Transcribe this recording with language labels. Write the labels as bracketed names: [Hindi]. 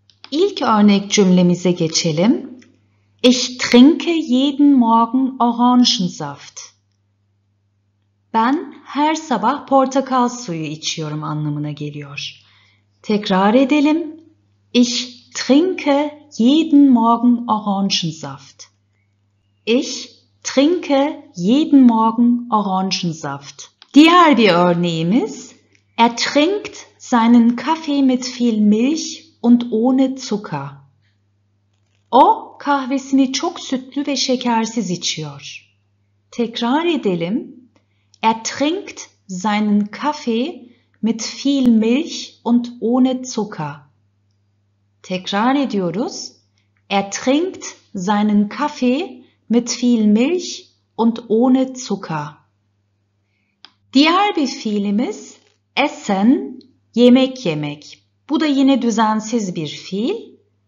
[Turkish] İlk örnek cümlemize geçelim. [German] Ich trinke jeden Morgen Orangensaft. [Turkish] Ben her sabah portakal suyu içiyorum anlamına geliyor. Tekrar edelim. [German] Ich trinke jeden Morgen Orangensaft. Ich trinke jeden Morgen Orangensaft. [Turkish] Diğer bir örneğimiz. [German] Er trinkt seinen Kaffee mit viel Milch und ohne Zucker. [Turkish] O kahvesini çok sütlü ve şekersiz içiyor. Tekrar edelim. [German] Er trinkt seinen Kaffee mit viel Milch und ohne Zucker. [Turkish] Tekrar ediyoruz. [German] Er trinkt seinen Kaffee mit viel Milch und ohne Zucker. [Turkish] Diğer bir fiilimiz essen, yemek yemek. Bu da yine düzensiz bir fiil.